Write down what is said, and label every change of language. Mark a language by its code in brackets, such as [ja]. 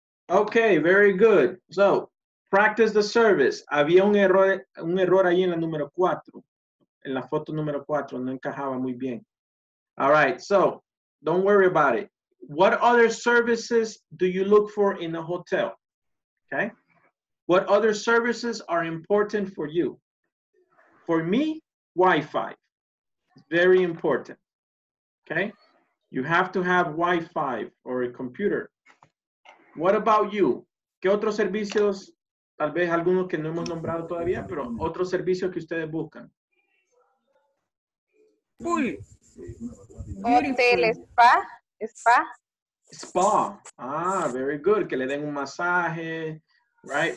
[en] Okay, very good. So, practice the service. [es] Había un error ahí en la número 4. En la foto número 4 no encajaba muy bien. [en] All right. So, don't worry about it. What other services do you look for in a hotel? Okay. What other services are important for you? For me, Wi-Fi. It's very important. Okay. You have to have Wi-Fi or a computer. What about you? [es] ¿Qué otros servicios? Tal vez algunos que no hemos nombrado todavía, pero otros servicios que ustedes buscan. [en] Pool. Hotel, spa. Spa. Ah, very good. [es] Que le den un masaje, right?